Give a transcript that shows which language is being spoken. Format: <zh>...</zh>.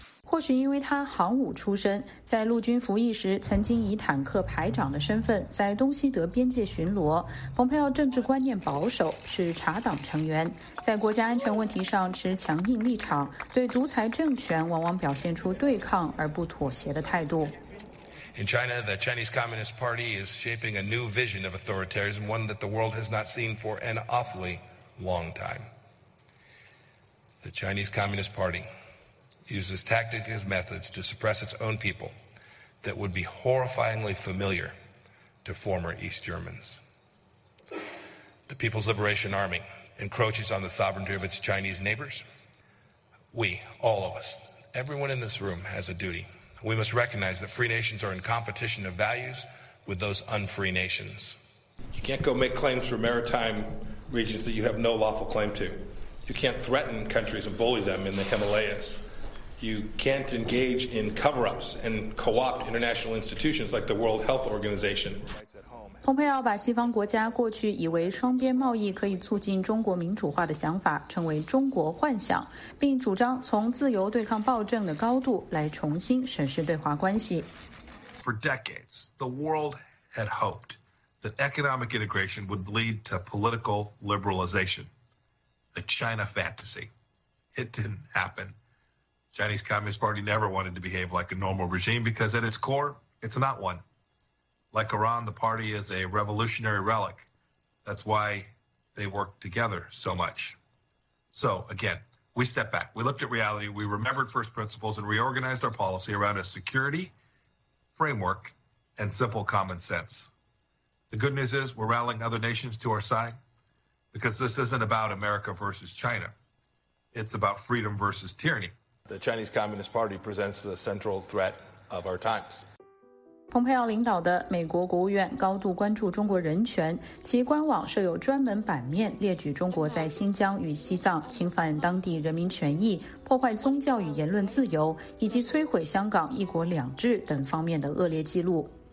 <zh>或许因为他航母出身，在陆军服役时曾经以坦克排长的身份在东西德边界巡逻，蓬佩奥政治观念保守，是查党成员，在国家安全问题上持强硬立场，对独裁政权往往表现出对抗而不妥协的态度。</zh> <en>In China, the Chinese Communist Party is shaping a new vision of authoritarianism, one that the world has not seen for an awfully long time. The Chinese Communist Party uses tactics and methods to suppress its own people that would be horrifyingly familiar to former East Germans. The People's Liberation Army encroaches on the sovereignty of its Chinese neighbors. We, all of us, everyone in this room has a duty. We must recognize that free nations are in competition of values with those unfree nations. You can't go make claims for maritime regions that you have no lawful claim to. You can't threaten countries and bully them in the Himalayas. You can't engage in cover-ups and co-opt international institutions like the World Health Organization.</en> <zh>蓬佩奥把西方国家过去以为双边贸易可以促进中国民主化的想法称为中国幻想，并主张从自由对抗暴政的高度来重新审视对华关系。</zh> <en>For decades, the world had hoped that economic integration would lead to political liberalization, the China fantasy. It didn't happen. Chinese Communist Party never wanted to behave like a normal regime because at its core, it's not one. Like Iran, the party is a revolutionary relic. That's why they work together so much. So again, we stepped back. We looked at reality. We remembered first principles and reorganized our policy around a security framework and simple common sense. The good news is we're rallying other nations to our side because this isn't about America versus China. It's about freedom versus tyranny. The Chinese Communist Party presents the central threat of our times.</en> <zh>蓬佩奥领导的美国国务院高度关注中国人权，其官网设有专门版面列举中国在新疆与西藏侵犯当地人民权益、破坏宗教与言论自由，以及摧毁香港一国两制等方面的恶劣记录。</zh>